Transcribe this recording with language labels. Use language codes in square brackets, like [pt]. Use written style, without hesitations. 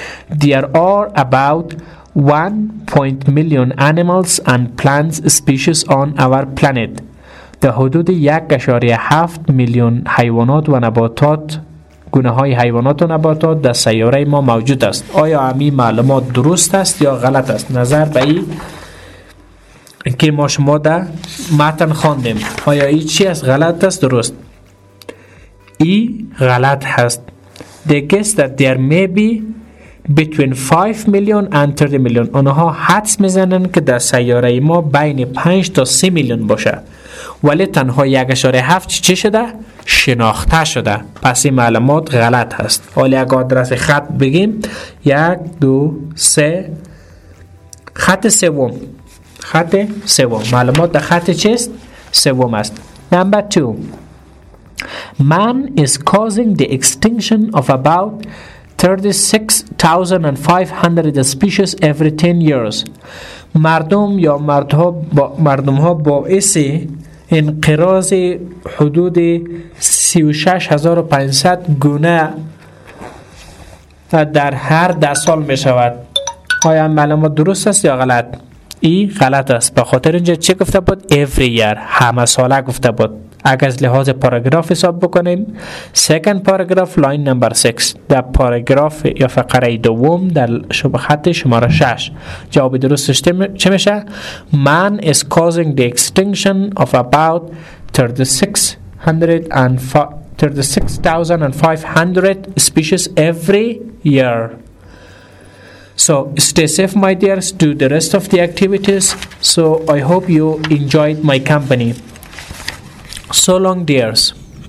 [en] There are about 1.1 million animals and plants species on our planet. [fa] در حدود 1.7 میلیون حیوانات و نباتات، گونه های حیوانات و نباتات در سیاره ما موجود است. آیا همین معلومات درست است یا غلط است؟ نظر به این که ما شما در متن خواندیم. آیا این چی است؟ غلط است؟ درست؟ ای غلط هست. [en] They guess that there may be between 5 million and 30 million. [fa] اونها حدس میزنن که در سیاره ما بین 5 تا 3 میلیون باشه. ولی تنها 1.7 چی شده؟ شناخته شده. پس این معلومات غلط هست. حالا اگه آدرس خط بگیم 1, 2, 3. خط سوم. خط سوم. معلومات در خط چیست؟ سوم است. [en] Number 2. Man is causing the extinction of about 36,500 species every 10 years. [fa] مردم یا مردها با مردم ها باعث انقراض حدود 36,500 گونه در هر 10 سال می شود. آیا معلومات درست است یا غلط؟ این غلط است. به خاطر اینجا چه گفته بود؟ [en] every year [fa] همه ساله گفته بود. اگر از لحاظ پاراگراف حساب بکنیم، سیکند پاراگراف لاین نمبر 6 در پاراگراف یا فقره دوم در خط شماره 6 جواب درستش چه میشه؟ [en] Man is causing the extinction of about 36,500 species every year. So stay safe, my dears. Do the rest of the activities. So I hope you enjoyed my company. So long, dears.